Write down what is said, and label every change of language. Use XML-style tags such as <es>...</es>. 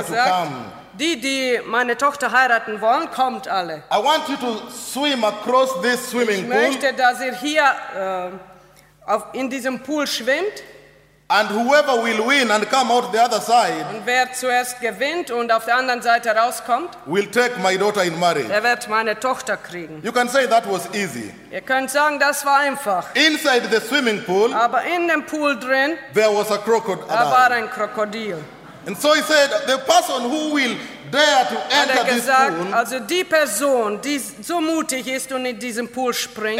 <de>gesagt,</de> <en>to come.</en> <de>Die meine Tochter heiraten wollen, kommt alle.</de> <en>I want you to swim across this swimming</en> <de>ich möchte,</de> <en>pool.</en> <de>Dass ihr hier in diesem Pool schwimmt.</de> <en>And whoever will win and come out the other side,</en> <de>und wer zuerst gewinnt und auf der anderen Seite rauskommt,</de> <en>will take my daughter in marriage.</en> <de>Er wird meine Tochter kriegen.</de> <en>You can say that was easy.</en> <de>Ihr könnt sagen, das war einfach.</de> <en>Inside the swimming pool,</en> <de>aber in dem Pool drin,</de> <en>there was a crocodile.</en> <de>Da war ein Krokodil.</de> <en>And so he said, the person who will dare to enter</en> <de>gesagt,</de> <en>this pool,</en> <de>also die Person, die so mutig ist und in diesem Pool springt,</de>